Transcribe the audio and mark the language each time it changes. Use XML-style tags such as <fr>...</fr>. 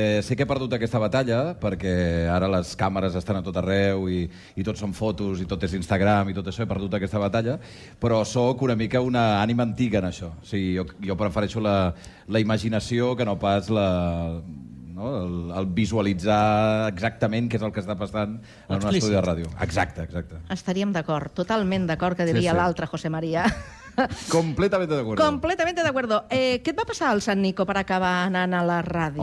<ca>Sé que he perdut aquesta batalla, perquè ara les càmeres estan a tot arreu i tot són fotos i tot és Instagram i tot això, he perdut aquesta batalla, però sóc una mica una ànima antiga en això. O sigui, jo prefereixo la imaginació que no pas la... No? El visualitzar exactament què és el que està passant en un estudi de ràdio. Exacte, exacte. Estaríem d'acord, totalment d'acord, que diria sí, sí. L'altre José María.</ca> <es>Completamente de acuerdo. Completamente de acuerdo.</es> <ca>Què et va passar al Sant Nico per acabar anant a la ràdio?</ca>